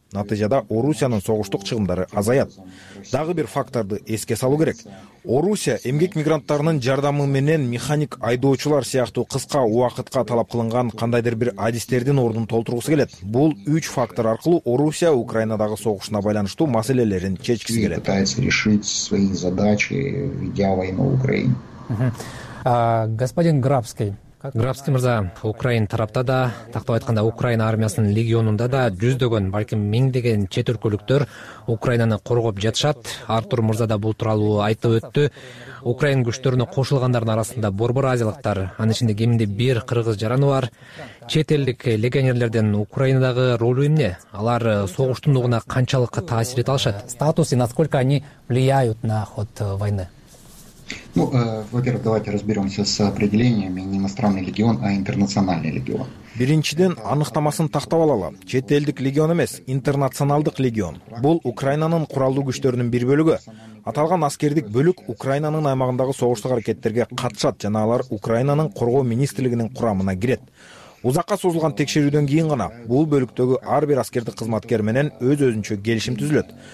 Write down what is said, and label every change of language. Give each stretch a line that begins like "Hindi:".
Kyrgyz: Натыйжада Орусиянын согуштук чыгымдары азаят. Дагы бир факторду эске салуу керек. Орусия эмгек мигранттарынын жардамы менен механик айдоочулар сыяктуу кыска убакытка талап кылынган кандайдыр бир адистердин ордун толтургусу келет. Бул үч фактор аркылуу Орусия Украинадагы согушуна байланыштуу маселелерин чечкиси келет.
Russian: Пытается решить свои задачи, ведя войну в Украине. Господин Грабский.
Kyrgyz: Грабский мырза, Украина тарапта да, тактап айтканда Украина армиясынын легионунда да жүздөгөн, балким миңдеген чет өлкөлүктөр Украинаны коргоп жатышат. Артур мырза да бул тууралуу айтып өттү. Украина күчтөрүнө кошулгандардын арасында борбор азиялыктар, анын ичинде кеминде бир кыргыз жараны бар. Чет элдик легионерлердин Украинадагы ролу эмне? Алар согуштун угуна канчалык таасир эте алышат?
Russian: Статусы, насколько они влияют на ход войны? Ну, во-первых, давайте разберемся с определениями не иностранный легион, а интернациональный легион.
Kyrgyz: Биринчиден аныктамасын тактап алалы. Чет элдик легион эмес, интернационалдык легион. Бул Украинанын куралдуу күчтөрүнүн бир бөлүгү. Аталган аскердик бөлүк Украинанын аймагындагы согуштук аракеттерге катышат жана алар Украинанын коргоо министрлигинин курамына кирет. Узакка созулган текшерүүдөн кийин гана бул бөлүктөгү ар бир аскердик кызматкер менен өз-өзүнчө келишим түзүлөт.